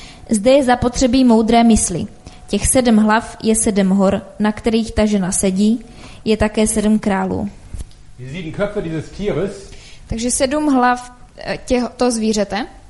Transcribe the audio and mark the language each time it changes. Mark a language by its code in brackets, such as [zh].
[cs] Zde je zapotřebí moudré mysli. Těch 7 hlav je 7 hor, na kterých ta žena sedí, je také 7 králů. [de] Die 7 Köpfe dieses Tieres. [cs] Takže 7 hlav toho zvířete.